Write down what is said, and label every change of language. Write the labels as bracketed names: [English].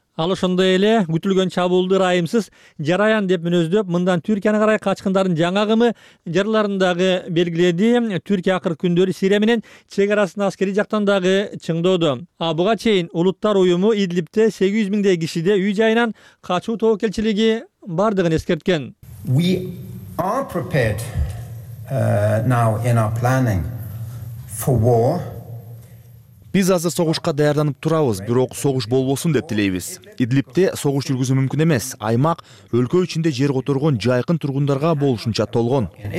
[Kyrgyz] Ал ошондой эле күтүлгөн чабуулду ырайымсыз жараян деп мүнөздөп, мындан Түркияны карай качкындардын жаңы агымы жарларын дагы белгиледи. Түркия акыркы күндөрү Сирия менен чек арасында аскерий жактан дагы чыңдоодо. А буга чейин улуттар уюму Идлибте 800 000 кишиде үй жайынан качуу тобокелчилиги бардыгын эскерткен. [English] We are prepared now in our planning for war. [Kyrgyz] Биз азыр согушка даярданып турабыз, бирок согуш болбосун деп тилейбиз. Идлибте согуш жүргүзүү мүмкүн эмес. Аймак өлкө ичинде жер которгон жайкын тургундарга болушунча толгон.